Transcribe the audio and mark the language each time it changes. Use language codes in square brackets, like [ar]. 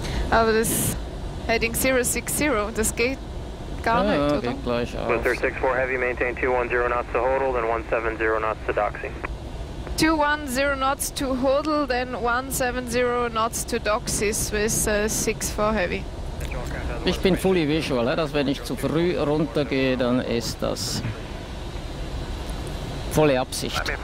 [de] Aber das heading 060, das geht gar nicht, oder? Geht gleich aus. [en] With 364 heavy, maintain 210 knots to Hodel, then 170 knots to Doxing. 210 knots to Hodel, then 170 knots to Doxis with 64 heavy. [de] Ich bin [en] fully visual, [de] dass wenn ich zu früh runtergehe, dann ist das volle Absicht.